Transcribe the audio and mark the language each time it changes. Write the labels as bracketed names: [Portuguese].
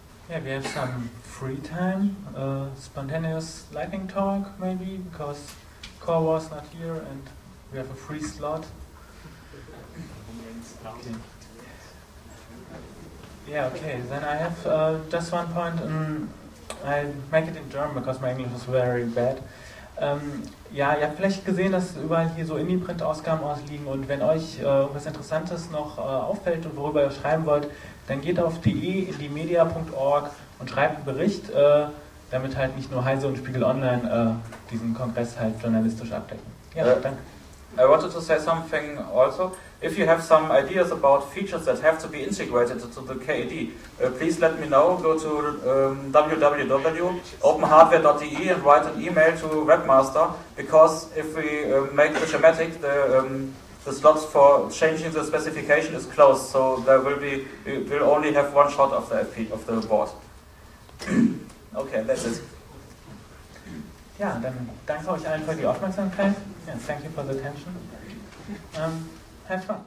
[English] Yeah, we have some free time, spontaneous lightning talk maybe, because Core was not here and we have a free slot. Okay. Yeah, okay, then I have just one point. I make it in German, because my English is very bad. [German] Ja, ihr habt vielleicht gesehen, dass überall hier so Indie-Print-Ausgaben ausliegen, und wenn euch was Interessantes noch auffällt und worüber ihr schreiben wollt, dann geht auf indiemedia.org und schreibt einen Bericht, damit halt nicht nur Heise und Spiegel Online diesen Kongress halt journalistisch abdecken. Ja, danke. [English] I wanted to say something also. If you have some ideas about features that have to be integrated to the KED, please let me know. Go to www.openhardware.de and write an email to Webmaster, because if we make the schematic, the slots for changing the specification is closed, so we'll only have one shot of the FP, of the board. Okay, that's it. [German] Ja, dann danke euch allen für die Aufmerksamkeit. [English] Yeah, thank you for the attention. Have fun.